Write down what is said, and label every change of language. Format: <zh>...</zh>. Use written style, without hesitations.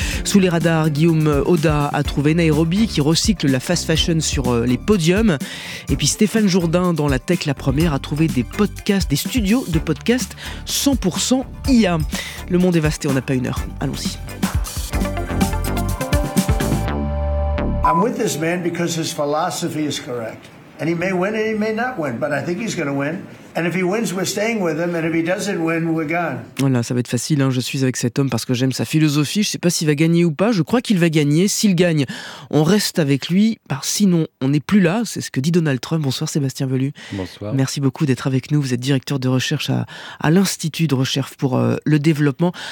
<fr>Sous les radars, Guillaume Oda a trouvé Nairobi qui recycle la fast fashion sur les podiums. Et puis Stéphane Jourdain dans la Tech La Première a trouvé des podcasts, des studios de podcasts 100% IA. Le monde est vasté, on n'a pas une heure. Allons-y.</fr> <en>I'm with this man because his philosophy is correct. And he may win and he may not win, but I think he's going to win. And if he wins, we're staying with him. And if he doesn't win, we're gone.</en> <fr>Voilà, ça va être facile. Hein. Je suis avec cet homme parce que j'aime sa philosophie. Je ne sais pas s'il va gagner ou pas. Je crois qu'il va gagner. S'il gagne, on reste avec lui. Bah, sinon, on n'est plus là. C'est ce que dit Donald Trump. Bonsoir Sébastien Velu. Bonsoir. Merci beaucoup d'être avec nous. Vous êtes directeur de recherche à l'Institut de recherche pour le développement.</fr>